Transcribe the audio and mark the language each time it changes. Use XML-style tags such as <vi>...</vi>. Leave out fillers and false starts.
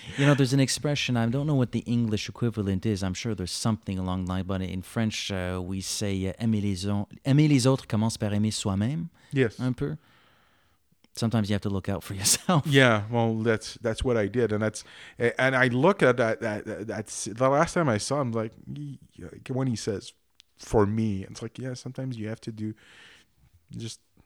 <en>You know, there's an expression. I don't know what the English equivalent is. I'm sure there's something along the line. But in French, we say,</en> <fr>aimer les autres commence par aimer soi-même.</fr> <en>Yes.</en> <fr>Un peu.</fr> <en>Sometimes you have to look out for yourself. Yeah, well, that's what I did, and I look at that's the last time I saw him. Like, when he says, "For me," it's like, yeah. Sometimes you have to do just.</en>